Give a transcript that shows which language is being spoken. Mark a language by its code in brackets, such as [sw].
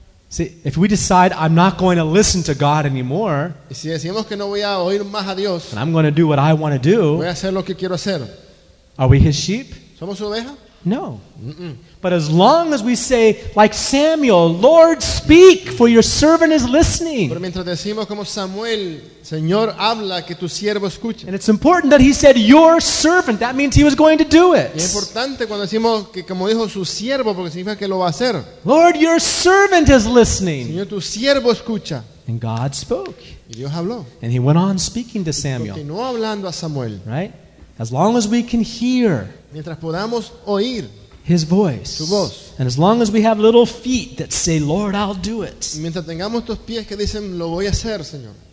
[en] See, if we decide I'm not going to listen to God anymore, [es] y si decimos que no voy a oír más a Dios, [en] and I'm going to do what I want to do, [es] voy a hacer lo que quiero hacer. [en] Are we his sheep? [es] ¿Somos su oveja? [en] No. Mm-mm. But as long as we say, like Samuel, Lord, speak, for your servant is listening. [es] Pero mientras decimos como Samuel, Señor, habla, que tu siervo escucha. [en] And it's important that he said, your servant. That means he was going to do it. [es] Y es importante cuando decimos que como dijo su siervo, porque significa que lo va a hacer. [en] Lord, your servant is listening. [es] Señor, tu siervo escucha. [en] And God spoke. [es] Y Dios habló. [en] And he went on speaking to Samuel. [es] Y continuó hablando a Samuel. [en] Right? As long as we can hear [es] mientras podamos oír [en] his voice, [es] su voz, [en] and as long as we have little feet that say, Lord, I'll do it, [es] mientras tengamos estos pies que dicen, lo voy a hacer, Señor,